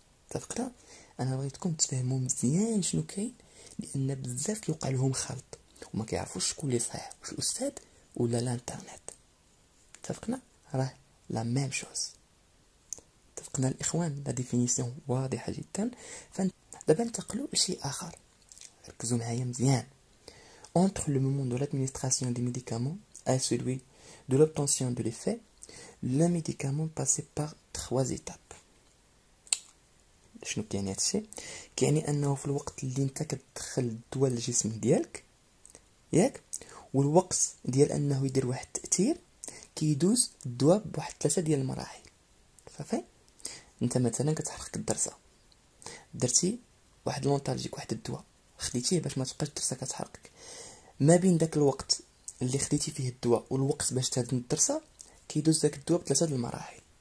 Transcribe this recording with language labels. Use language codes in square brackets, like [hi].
[ar] اتفقنا؟ انا بغيتكم تفهموا مزيان شنو كاين، لان بزاف كيوقع لهم خلط وما كيعرفوش شكون اللي صحيح، واش الاستاذ ولا الانترنت. اتفقنا؟ راه [fr] لا ميم شوز. [ar] اتفقنا الاخوان؟ لا ديفينيسيون واضحه جدا. دابا انتقلوا لشيء اخر، ركزوا معايا مزيان. [fr] entre le moment de l'administration des médicaments à celui de l'obtention de l'effet, le médicament passe par trois étapes. [ar] شنو كاين هذا الشيء؟ كاين انه في الوقت اللي انت كتدخل الدواء للجسم ديالك ياك، والوقت ديال انه يدير واحد التاثير، كيدوز الدواء بواحد ثلاثه ديال المراحل. صافي، انت مثلا كتحرق الدرسه، درتي واحد لونتالجيك واحد الدواء خديتيه باش ما تبقاش الدرسه كتحرقك، ما بين داك الوقت اللي خديتي فيه الدواء والوقت باش تهدم الدرسه، كيدوز داك الدواء بثلاثة ديال المراحل.